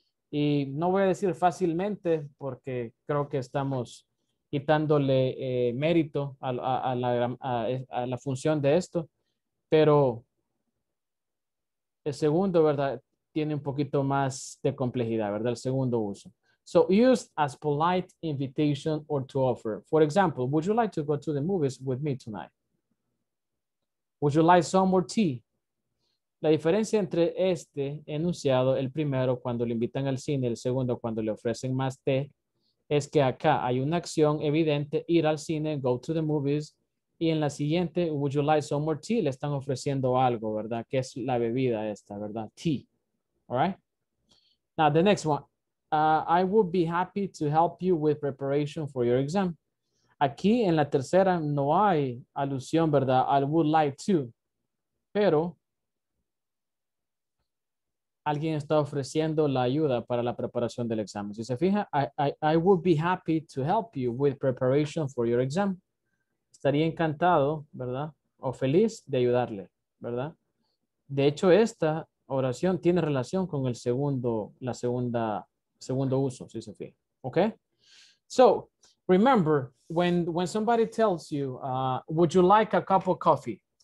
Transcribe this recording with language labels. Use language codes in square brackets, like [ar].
[es] Y no voy a decir fácilmente porque creo que estamos quitándole mérito a la función de esto, pero el segundo, ¿verdad? Tiene un poquito más de complejidad, ¿verdad? El segundo uso. [en] So use as polite invitation or to offer. For example, would you like to go to the movies with me tonight? Would you like some more tea? [es] La diferencia entre este enunciado, el primero cuando le invitan al cine, el segundo cuando le ofrecen más té, es que acá hay una acción evidente, ir al cine, [en] go to the movies, [es] y en la siguiente, [en] would you like some more tea? [es] Le están ofreciendo algo, ¿verdad? Que es la bebida esta, ¿verdad? Tea. [en] All right? Now, the next one. I would be happy to help you with preparation for your exam. [es] Aquí en la tercera no hay alusión, ¿verdad? [en] I would like to. [es] Pero alguien está ofreciendo la ayuda para la preparación del examen. Si se fija, [en] I would be happy to help you with preparation for your exam. [es] Estaría encantado, ¿verdad? O feliz de ayudarle, ¿verdad? De hecho, esta oración tiene relación con el segundo, la segunda, segundo uso, si se fija. [en] Okay? So, remember, when somebody tells you, would you like a cup of coffee?